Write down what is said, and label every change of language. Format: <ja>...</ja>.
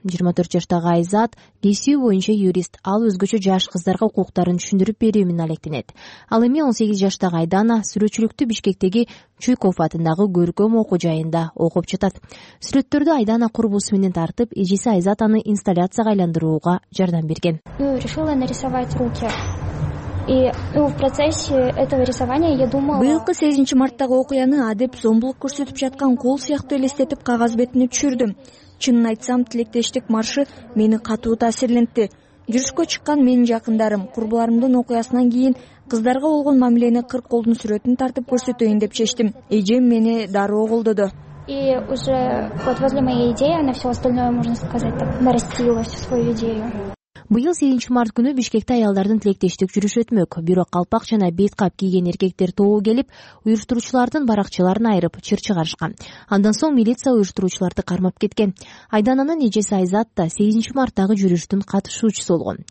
<ky>24 жаштагы Айзат кесүү боюнча юрист. Ал өзгөчө жаш кыздарга укуктарын түшүндүрүп берүү менен алектенет. Ал эми 18 жаштагы Айдана сүрөтчүлүктү Бишкектеги Чуйков атындагы көркөм окуу жайында окуп жатат. Сүрөттөрдү Айдана курбусу менен тартып, эжеси Айзат аны инсталляцияга айландырууга жардам берген.</ky> <ru>Я решила нарисовать руки. В процессе этого рисования я думала...</ru> <ky>Быйылкы 8 марттагы окуяны адеп зомбулук көрсөтүп жаткан кол сыяктуу элестетип кагаз бетине түшүрдүм. Чынын айтсам, тилектештик маршы мени катуу таасирлентти. Жүрүшкө чыккан менин жакындарым, курбуларымдын окуясынан кийин кыздарга болгон мамилени 40 колдун сүрөтүн тартып көрсөтөйүн деп чечтим. Эжем мени дароо колдоду.</ky> <ru>И уже вот возле моей идеи она все остальное, можно сказать, нарастила всю свою идею.</ru> <ky>Быйыл 8 март күнү Бишкекте аялдардын тилектештик жүрүшү өтмөк. Бирок калпак жана бет кап кийген эркектер тобу келип, уюштуруучулардын баракчаларын айырып, чыр чыгарышкан. Андан соң милиция уюштуруучуларды кармап кеткен. Айдананын эжеси Айзат да 8 марттагы жүрүштүн катышуучусу болгон.</ky>